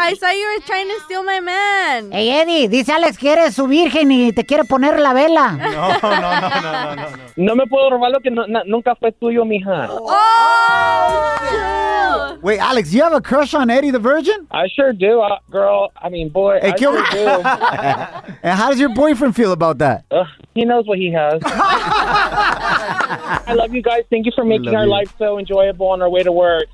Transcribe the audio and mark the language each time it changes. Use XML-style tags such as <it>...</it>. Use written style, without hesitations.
<en>I saw you were trying to steal my man.</en> <es>Hey, Eddie, dice Alex que eres su virgen y te quiere poner la vela. No. No me puedo robar lo que nunca fue tuyo, mija.</es> <en>Oh! Wait, Alex, you have a crush on Eddie the Virgin? I sure do, girl. I mean, boy, hey, I sure do. And how does your boyfriend feel about that? He knows what he has. I love you guys. Thank you for making our life so enjoyable on our way to work.</en>